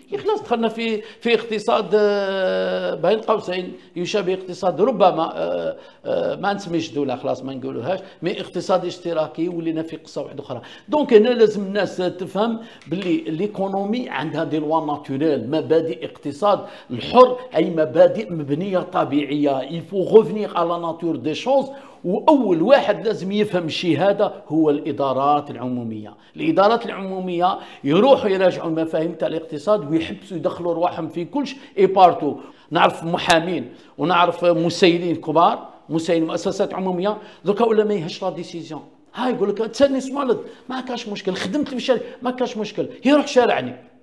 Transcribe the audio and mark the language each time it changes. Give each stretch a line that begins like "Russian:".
Arabic: يا خلاص دخلنا في اقتصاد بين قوسين يشابه اقتصاد ربما ما نسميش دوله، خلاص ما نقولوهاش، مي اقتصاد اشتراكي، ولينا في قصه واحده اخرى. دونك هنا لازم الناس تفهم بلي ليكونومي عندها دي لوا ناتورال، مبادئ اقتصاد الحر، اي مبادئ مبنيه طبيعيه.
French: Il faut revenir à la nature des choses.
Arabic: واول واحد لازم يفهم الشهاده هو الادارات العموميه. الادارات العموميه يروحوا يراجعوا المفاهيم تاع الاقتصاد ويحبسوا يدخلوا رواحهم في كلش اي بارتو. نعرف محامين ونعرف مسيلين كبار، مسيلين مؤسسات عموميه، دوكا ولا ما يهش لا ديسيزيون. ها يقول لك تسني سمولد ما كاش مشكل، خدمت في الشارع ما كاش مشكل، يروح شارعني.